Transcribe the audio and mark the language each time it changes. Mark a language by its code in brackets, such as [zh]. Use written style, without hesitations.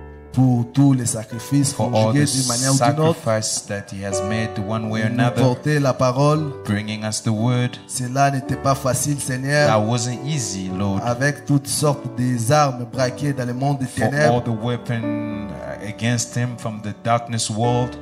[fr] Pour tous les sacrifices conjugués d'une manière ou d'une autre, [en] that he has made one way or another, [fr] porter la parole, [en] bringing us the word, [fr] cela n'était pas facile, Seigneur, [en] that wasn't easy, Lord, [fr] avec toutes sortes d'armes braquées dans le monde des ténèbres, [en] for all the weapons against him from the darkness world,